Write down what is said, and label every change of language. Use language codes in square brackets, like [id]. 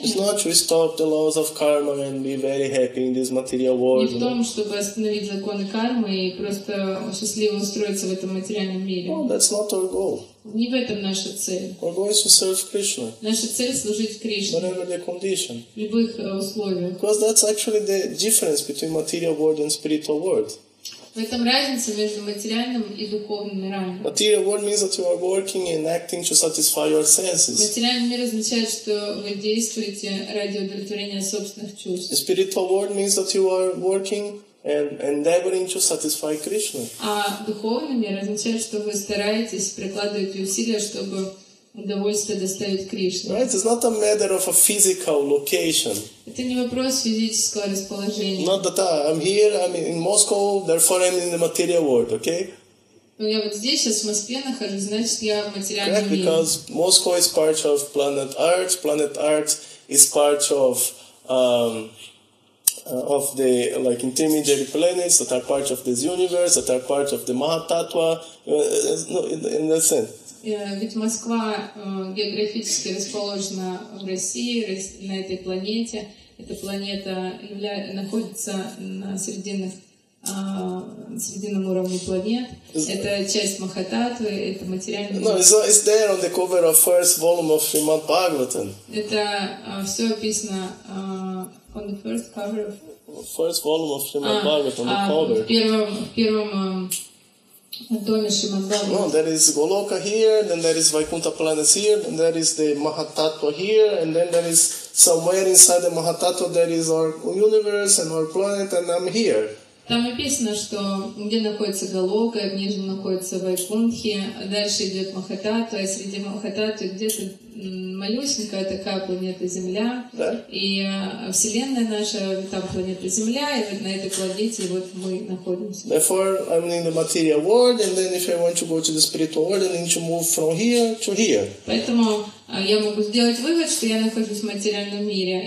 [en] It's not to stop the laws of karma and be very happy in this material world. [ru] Не в том, чтобы остановить законы кармы и просто счастливо устроиться в этом материальном мире. [en] No, that's not our goal. [ru] Не в этом наша цель. [en] Our goal is to serve Krishna. [ru] Наша цель служить Кришне. [en] Whatever the condition. [ru] В любых условиях. [en] Because that's actually the difference between material world and spiritual world. [ru] В этом разница между материальным и духовным миром. [en] Material world means that you are working and acting to satisfy your senses. [ru] Материальный мир означает, что вы действуете ради удовлетворения собственных чувств. [en] The spiritual world means that you are working and endeavoring to satisfy Krishna. [ru] А духовный мир означает, что вы стараетесь, прикладываете усилия, чтобы удовольствие доставить Кришне. [en] Right? It's not a matter of a physical location. [ru] Это не вопрос физического расположения. [en] Not that I'm here, I'm in Moscow, therefore I'm in the material world, okay? [ru] Ну, я вот здесь сейчас в Москве нахожусь, значит, я в материальном мире. [en] Right? Because Moscow is part of planet Earth. Planet Earth is part of the like intermediary planets that are part of this universe, that are part of the Mahatattva. No, in that sense. [ru] Ведь Москва географически расположена в России, на этой планете. Эта планета находится на срединном уровне планет. Это часть Махататвы, это материальный мир. [en] No, it's there on the cover of first volume of Srimad Bhagavatam. [ru] Это все описано [en] on the first cover of... First volume of Srimad Bhagavatam, on the cover. [ru] В первом [en] No, there is Goloka here, then there is Vaikuntha planets here, then there is the Mahatattva here, and then there is somewhere inside the Mahatattva there is our universe and our planet, and I'm here. [ru] Там написано, что где находится Галока, внизу находится Вайкунтхи, дальше идет Махатата, а среди Махататвы где-то малюсенькая такая планета Земля. Да. И Вселенная наша, там планета Земля, и вот на этой планете вот мы находимся. [en] Therefore, I'm in the material world, and then if I want to go to the spiritual world, I need to move from here to here. [ru] Поэтому я могу сделать вывод, что я нахожусь в материальном мире.